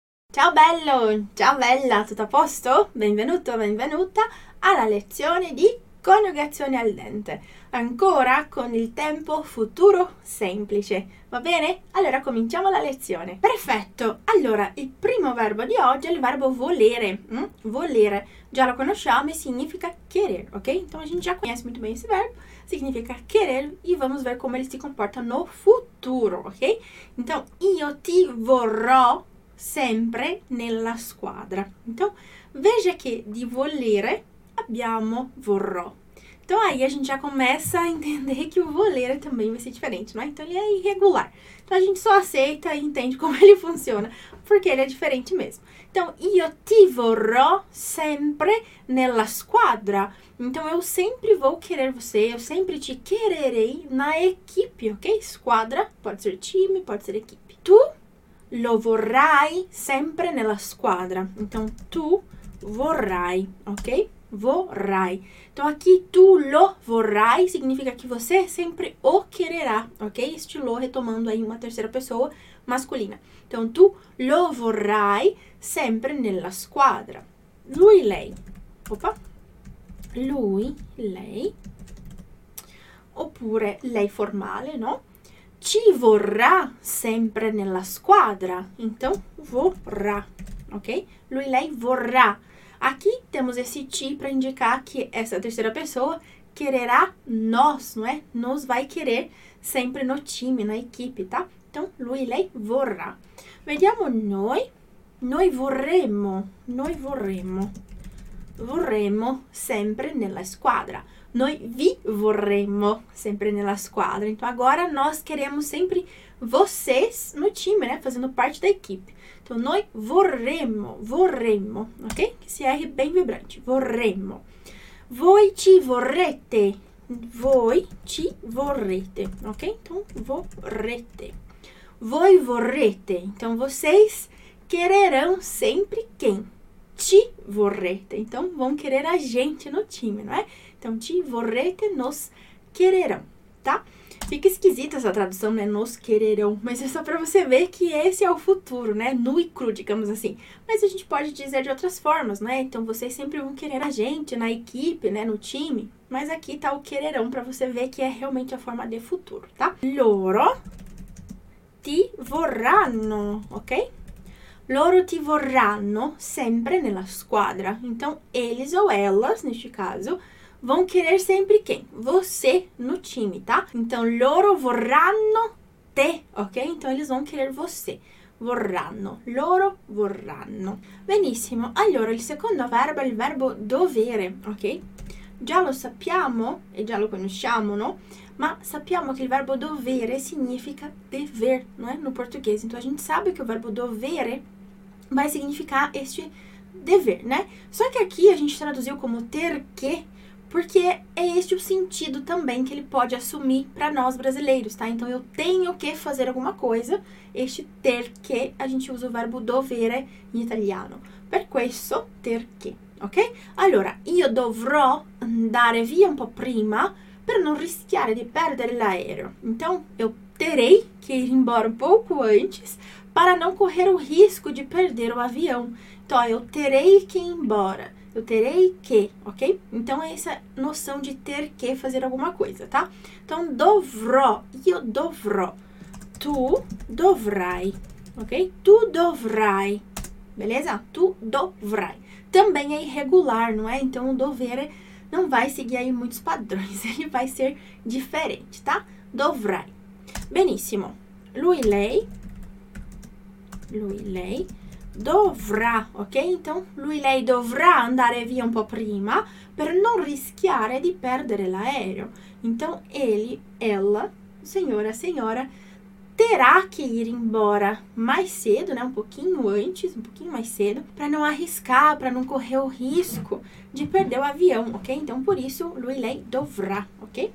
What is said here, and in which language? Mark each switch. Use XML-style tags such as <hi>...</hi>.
<it>Ciao bello, ciao bella, tutto a posto? Benvenuto, benvenuta alla lezione di coniugazione al dente, ancora con il tempo futuro semplice, va bene? Allora cominciamo la lezione. Perfetto, allora il primo verbo di oggi è il verbo volere. Volere, già lo conosciamo e significa querer, ok?</it> <pt>Então a gente já conhece muito bem esse verbo, significa querer e vamos ver como ele se comporta no futuro, ok?</pt> <it>Então io ti vorrò sempre nella squadra.</it> <pt>Então, veja que de volere</pt> <it>abbiamo vorrò.</it> <pt>Então, aí a gente já começa a entender que o volere também vai ser diferente, não é? Então, ele é irregular. Então, a gente só aceita e entende como ele funciona, porque ele é diferente mesmo.</pt> <it>Então, io ti vorrò sempre nella squadra.</it> <pt>Então, eu sempre vou querer você, eu sempre te quererei na equipe, ok? Squadra pode ser time, pode ser equipe.</pt> <it>Tu lo vorrai sempre nella squadra. Então, tu vorrai, ok? Vorrai.</it> <pt>Então, aqui,</pt> <it>tu lo vorrai</it> <pt>significa que você sempre o quererá, ok? Este lo retomando aí uma terceira pessoa masculina.</pt> <it>Então, tu lo vorrai sempre nella squadra. Lui, lei. Opa. Lui, lei. Oppure lei formale, no? Ci vorrà sempre nella squadra. Então, vorrà, ok? Lui, lei vorrà.</it> <pt>Aqui temos esse ti para indicar que essa terceira pessoa quererá nós, não é? Nos vai querer sempre no time, na equipe, tá?</pt> <it>Então, lui, lei vorrà. Vediamo noi. Noi vorremmo. Vorremmo sempre nella squadra. Noi vi vorremmo sempre nella squadra.</it> <pt>Então, agora nós queremos sempre vocês no time, né? Fazendo parte da equipe. Então,</pt> <it>noi vorremmo, vorremmo,</it> <pt>ok? Que esse R bem vibrante. Vorremmo.</pt> <it>Voi ci vorrete. Voi ci vorrete, ok? Então, vorrete. Voi vorrete.</it> <pt>Então, vocês quererão sempre quem?</pt> <it>Ti vorrete.</it> <pt>Então, vão querer a gente no time, não é? Então,</pt> <it>ti vorrete</it> <pt>nos quererão, tá? Fica esquisita essa tradução, né? Nos quererão. Mas é só para você ver que esse é o futuro, né? Nu e cru, digamos assim. Mas a gente pode dizer de outras formas, né? Então, vocês sempre vão querer a gente na equipe, né? No time. Mas aqui tá o quererão para você ver que é realmente a forma de futuro, tá?</pt> <it>Loro ti vorranno, ok? Loro ti vorranno sempre nella squadra.</it> <pt>Então, eles ou elas, neste caso, vão querer sempre quem? Você no time, tá?</pt> <it>Então, loro vorranno te, ok?</it> <pt>Então, eles vão querer você.</pt> <it>Vorranno. Loro vorranno. Benissimo. Allora, il secondo verbo è il verbo dovere, ok? Già lo sappiamo e già lo conosciamo, no? Ma sappiamo che il verbo dovere significa dever, non è? No portoghese.</it> <pt>Então, a gente sabe che o verbo dovere vai significar este dever, né? Só que aqui a gente traduziu como ter que, porque é este o sentido também que ele pode assumir para nós brasileiros, tá? Então eu tenho que fazer alguma coisa. Este ter que a gente usa o verbo dovere em italiano.</pt> <it>Per questo</it> <pt>ter que,</pt> <it>ok? Allora, io dovrò andare via un po' prima per non rischiare di perdere l'aereo.</it> <pt>Então eu terei que ir embora um pouco antes para não correr o risco de perder o avião. Então, eu terei que ir embora. Eu terei que, ok? Então, é essa noção de ter que fazer alguma coisa, tá?</pt> <it>Então, dovrò, io dovrò. Tu dovrai, ok? Tu dovrai, beleza? Tu dovrai.</it> <pt>Também é irregular, não é? Então, o dovere não vai seguir aí muitos padrões. Ele vai ser diferente, tá?</pt> <it>Dovrai. Benissimo. Lui, lei. Lui, lei, dovrà, ok? Então, lui, lei dovrà andare via un po' prima per non rischiare di perdere l'aereo.</it> <pt>Então, ele, ela, senhora, senhora, terá que ir embora mais cedo, né? Um pouquinho antes, um pouquinho mais cedo, para não arriscar, para não correr o risco de perder o avião, ok? Então, por isso,</pt> <it>lui, lei dovrà,</it> <pt>ok?</pt>